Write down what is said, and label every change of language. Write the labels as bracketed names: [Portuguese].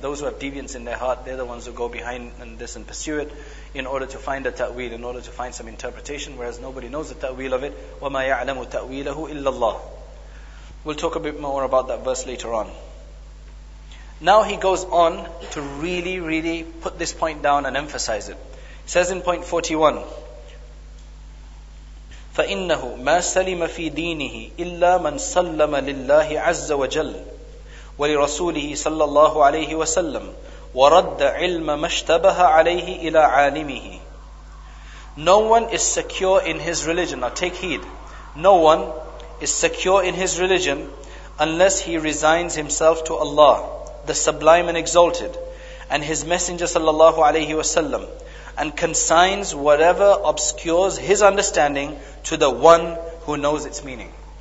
[English] Those who have deviance in their heart, they're the ones who go behind this and pursue it in order to find a ta'wil, in order to find some interpretation, whereas nobody knows the ta'wil of it. [Arabic] وَمَا يَعْلَمُ تَأْوِيلَهُ إِلَّا اللَّهُ. [English] We'll talk a bit more about that verse later on. Now he goes on to really, really put this point down and emphasize it. He says in point 41, [Arabic] فَإِنَّهُ مَا سَلِمَ فِي دِينِهِ إِلَّا مَنْ سَلَّمَ لِلَّهِ عَزَّ وَجَلَّ وَلِرَسُولِهِ صَلَّى اللَّهُ عَلَيْهِ وَسَلَّمَ وَرَدَّ عِلْمَ مَشْتَبَهَ عَلَيْهِ إِلَىٰ عَالِمِهِ. [English] No one is secure in his religion. Now take heed. No one is secure in his religion unless he resigns himself to Allah, the Sublime and Exalted, and his Messenger sallallahu alayhi wa sallam, and consigns whatever obscures his understanding to the one who knows its meaning.